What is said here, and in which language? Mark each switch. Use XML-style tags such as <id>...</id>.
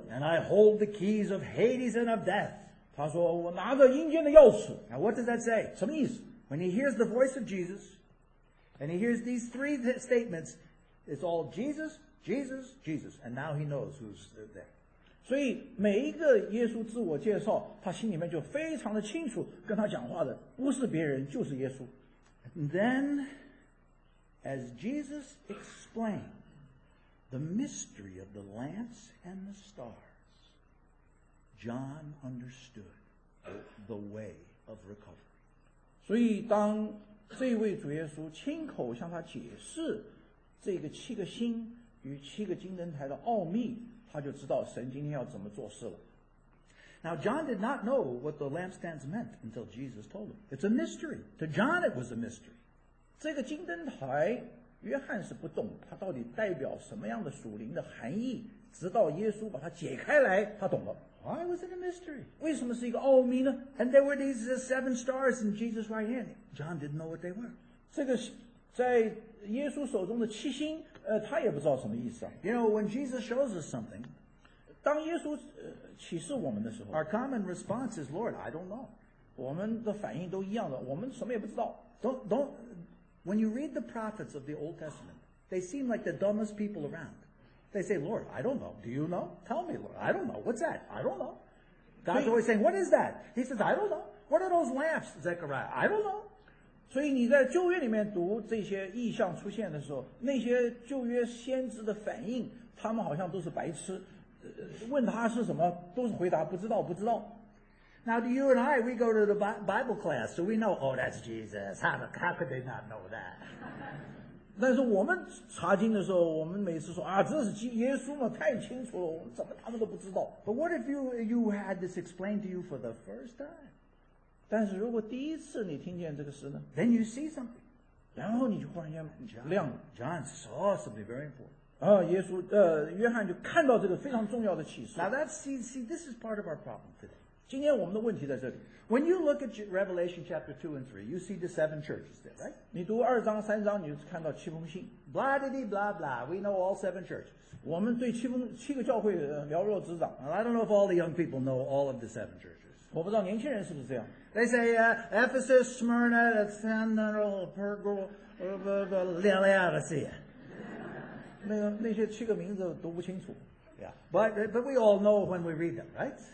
<en>And I hold the keys of Hades and of death.</en> <zh>他说我拿着阴间的钥匙</zh> <en>Now what does that say?</en> <zh>什么意思</zh> <en>When he hears the voice of Jesus and he hears these three statements,It's all Jesus, Jesus, Jesus. And now he knows who's there.</en> <zh>所以每一个耶稣自我介绍他心里面就非常的清楚跟他讲话的不是别人就是耶稣。</zh> <en>And then, as Jesus explained, the mystery of the lamps and the stars, John understood the way of recovery.</en> <zh>所以当这位主耶稣亲口向他解释这个七个星与七个金灯台的奥秘，他就知道神今天要怎么做事了。</zh> <en>Now, John did not know what the lampstands meant until Jesus told him. It's a mystery. To John, it was a mystery.</en> <zh>这个金灯台，约翰是不懂它到底代表什么样的属灵的含义，直到耶稣把它解开来，他懂了。</zh> <en>Why was it a mystery?</en> <zh>为什么是一个奥秘呢？</zh> <en>And there were these seven stars in Jesus' right hand. John didn't know what they were.</en> <zh>这个在耶稣手中的七星，他也不知道什么意思啊。</zh> <en>You know, when Jesus shows us something,</en> <zh>当耶稣启示我们的时候，</zh> <en>our common response is, Lord, I don't know.</en> <zh>我们的反应都一样的，我们什么也不知道。</zh> <en>When you read the prophets of the Old Testament, they seem like the dumbest people around. They say, Lord, I don't know. Do you know? Tell me, Lord. I don't know. What's that? I don't know. God's always saying, what is that? He says, I don't know. What are those lamps, Zechariah? I don't know.</en> <zh>所以你在旧约里面读这些异象出现的时候，那些旧约先知的反应，他们好像都是白痴，问他是什么，都是回答不知道，不知道。</zh> <en>Now, do you and I, we go to the Bible class, so we know, oh, that's Jesus. How could they not know that?</en> <zh>但是我们查经的时候，我们每次说啊，这是耶稣嘛，太清楚了，我们怎么他们都不知道。</zh> <en>But what if you had this explained to you for the first time?</en> <zh>但是如果第一次你听见这个事呢？</zh> <en>Then you see something.</en> <zh>然后你就忽然间亮了。</zh> <en>John saw something very important.</en> <zh>啊，耶稣，约翰就看到这个非常重要的启示。</zh> <en>Now that's, see, this is part of our problem today.</en> <zh>今天我们的问题在这里。</zh> <en>When you look at Revelation chapter 2 and 3, you see the seven churches there, right?</en> <zh>你读二章三章，你就看到七封信。</zh> <en>Blah, de, de, blah, blah. We know all seven churches.</en> <zh>我们对七个教会了若指掌。</zh> <en>I don't know if all the young people know all of the seven churches.</en> <zh>我不知道年轻人是不是这样。</zh> <en>They say, Ephesus, Smyrna, Thessalonica, Pergamum, Laodicea.</en> <zh>那些七个名字读不清楚。</zh> <en>Yeah. But we all know when we read them, right?</en>